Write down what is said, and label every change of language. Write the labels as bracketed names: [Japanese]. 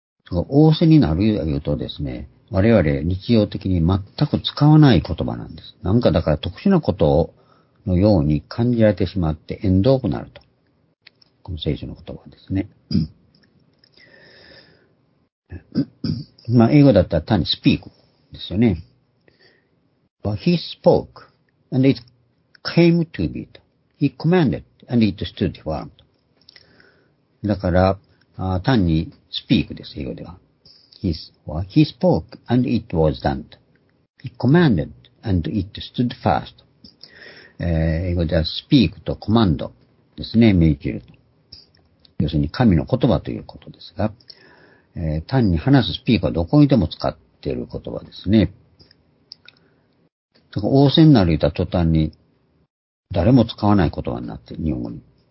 [Japanese] 仰せになるというとですね、我々日常的に全く使わない言葉なんです。なんかだから特殊なことをのように感じられてしまって縁遠くなると。この聖書の言葉ですね。まあ、英語だったら単に speak ですよね。 [English] But he spoke and it came to be. He commanded and it stood firm. [Japanese] だから、単に speak です、英語では。 [English] He spoke and it was done. He commanded and it stood fast. [Japanese] 英語では speak とコマンドですね、命じると。要するに神の言葉ということですが、単に話す speak はどこにでも使っている言葉ですね。だから仰せになる言った途端に誰も使わない言葉になって、日本語に。